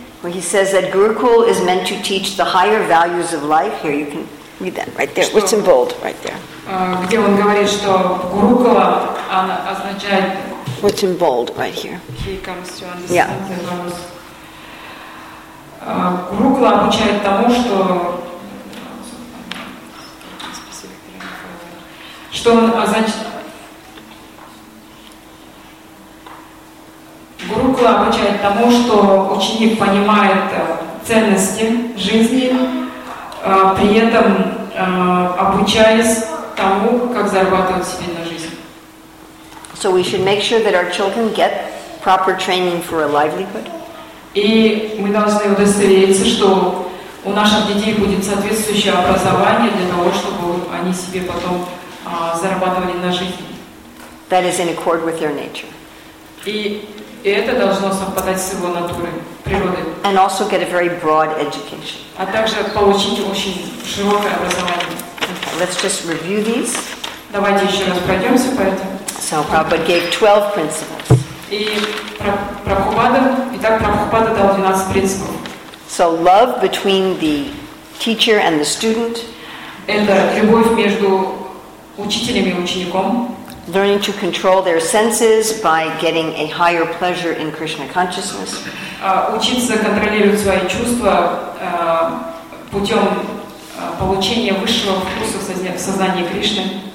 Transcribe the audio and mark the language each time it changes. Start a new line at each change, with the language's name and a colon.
English: Where he says that Gurukul is meant to teach the higher values of life. Here, you can read that right there. What's in bold right there?
Russian: Где он говорит, что Гурукула означает...
English: What's in bold right here? He comes to understand yeah. the values.
Russian: Гурукула обучает тому, что... Что он означает... Гурукула обучает тому, что ученик понимает ценности жизни, при этом обучаясь тому, как зарабатывать себе на жизнь.
English: So we should make sure that our children get proper training for a livelihood.
Russian: И мы должны удостовериться, что у наших детей будет соответствующее образование для того, чтобы они себе потом зарабатывали на жизнь.
English: That is in accord with their nature.
Russian: И это должно совпадать с его натурой, природой.
English: And also get a very broad education.
Russian: А также получить очень широкое образование.
English: Let's just review these.
Russian: Давайте еще раз пройдемся по этим.
English: So Prabhupada gave 12 principles.
Russian: И Прабхупада, итак, Прабхупада дал 12 принципов.
English: So love between the teacher and the student.
Russian: Это любовь между учителем и учеником.
English: Learning to control their senses by getting a higher pleasure in Krishna consciousness.
Russian: Учиться контролировать свои чувства путем получения высшего вкуса в сознании Кришны.